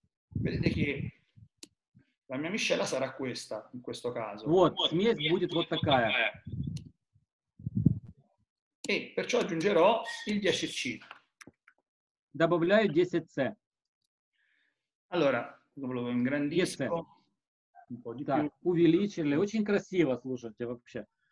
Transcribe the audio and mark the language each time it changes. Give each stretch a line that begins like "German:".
Italian: Vedete che la mia miscela sarà questa, in questo caso.
Russian: Вот, смесь будет вот такая.
Italian: E perciò aggiungerò il 10C.
Russian: Добавляю 10C.
Italian: Allora, lo ingrandisco un po' di
Russian: так,
Italian: più.
Russian: Увеличили. Очень красиво, слушайте, вообще.